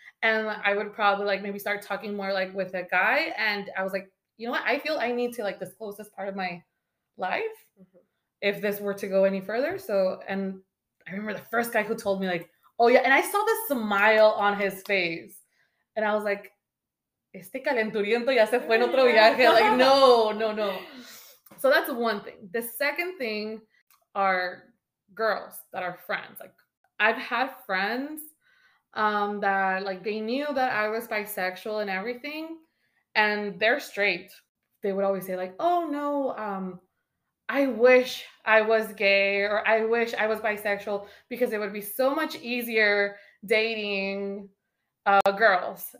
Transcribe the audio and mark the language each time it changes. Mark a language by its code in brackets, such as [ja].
[en] And I would probably like maybe start talking more like with a guy. And I was like, you know what? I feel I need to like disclose this part of my life if this were to go any further. So, and I remember the first guy who told me like, oh yeah. And I saw the smile on his face. And I was like, [es] este calenturiento ya se fue en otro viaje. [en] Like, no, no, no. So that's one thing. The second thing are girls that are friends. Like, I've had friends that like they knew that I was bisexual and everything, and they're straight, they would always say like, oh no, I wish I was gay, or I wish I was bisexual, because it would be so much easier dating girls.